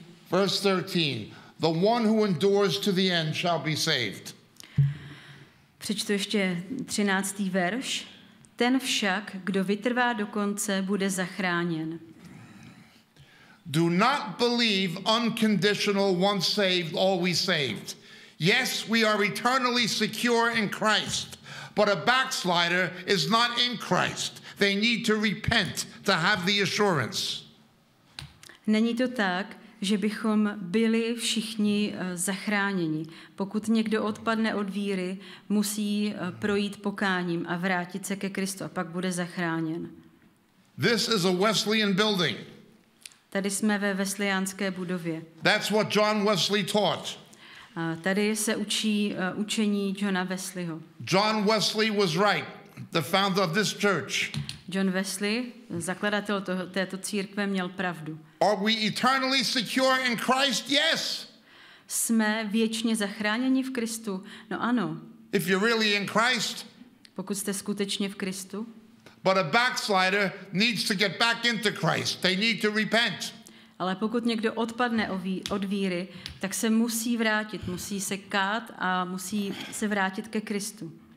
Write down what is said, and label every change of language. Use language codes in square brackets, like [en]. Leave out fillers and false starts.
[en] Verse 13. The one who endures to the end shall be saved. [cs] Přečtu ještě 13. verš. Ten však, kdo vytrvá do konce, bude zachráněn. [en] Do not believe unconditional once saved, always saved. Yes, we are eternally secure in Christ, but a backslider is not in Christ. They need to repent to have the assurance. [cs] Není to tak, že bychom byli všichni zachráněni. Pokud někdo odpadne od víry, musí projít pokáním a vrátit se ke Kristu a pak bude zachráněn. [en] This is a Wesleyan building. [cs] Tady jsme ve Wesleyanské budově. [en] That's what John Wesley taught. [cs] Tady se učí učení Johna Wesleyho. [en] John Wesley was right, the founder of this church. [cs] John Wesley, zakladatel této církve, měl pravdu. [en] Are we eternally secure in Christ? Yes. [cs] Jsme věčně zachráněni v Kristu? No ano. [en] If you're really in Christ. [cs] Pokud jste skutečně v Kristu. [en] But a backslider needs to get back into Christ. They need to repent. [cs] Ale pokud někdo odpadne od víry, tak se musí vrátit, musí se kát a musí se vrátit ke Kristu.